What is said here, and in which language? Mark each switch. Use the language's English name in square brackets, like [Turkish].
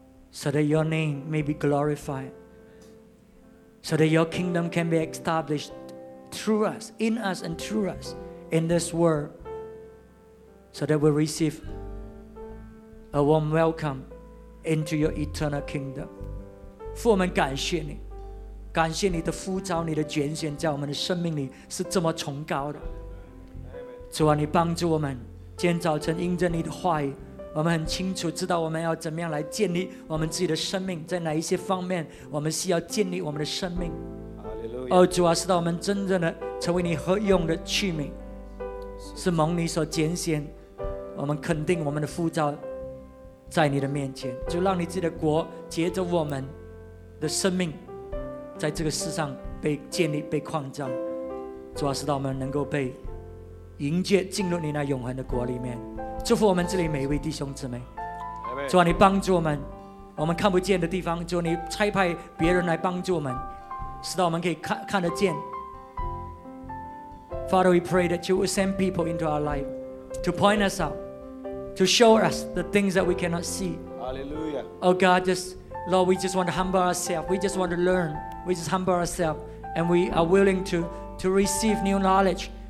[English] So that your name may be glorified. So that your kingdom can be established through us, in us and through us in this world. So that we'll receive a warm welcome into your eternal kingdom. [Chinese] 父，我们感谢你。感谢你的呼召，你的拣选，在我们的生命里是这么崇高的。主啊，你帮助我们，今天早晨因着你的话语，我们很清楚知道我们要怎么样来建立我们自己的生命，在哪一些方面我们需要建立我们的生命。哦，主啊，使到我们真正的成为你合用的器皿，是蒙你所拣选，我们肯定我们的呼召在你的面前，就让你自己的国接着我们的生命。在这个世上被建立被扩张，主要是让我们能够被迎接进入你那永恒的国里面。祝福我们这里每一位弟兄姊妹，主啊，你帮助我们，我们看不见的地方，主啊，你差派别人来帮助我们，使到我们可以 看得见。 [English] Father, we pray that you will send people into our life to point us out, to show us the things that we cannot see. Hallelujah. Oh God, just Lord, we just want to humble ourselves. We just want to learn. We just humble ourselves. And we are willing to receive new knowledge,